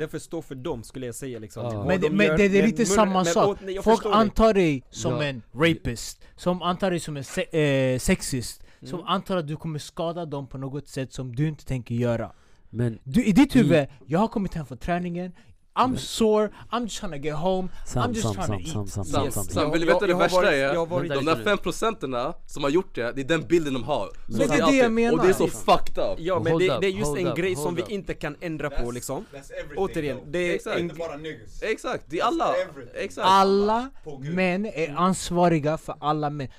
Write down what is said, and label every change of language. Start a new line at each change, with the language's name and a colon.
Swedish: Det får stå för dem skulle jag säga liksom. Men det är lite samma sak. Folk antar dig som en rapist, som antar dig som en sexist, som antar att du kommer skada dem på något sätt som du inte tänker göra. Men du, i ditt huvud, jag har kommit hem från träningen.
English: I'm sore, I'm just trying to get home.
Swedish: De där 5%erna som har gjort det, det är den bilden de har. Men det är det jag menar. Och det är så fucked up. Ja, men det är just en grej som vi inte kan ändra på liksom. Återigen, det är inte bara niggas. Exakt, det är alla. Alla män är ansvariga för alla män.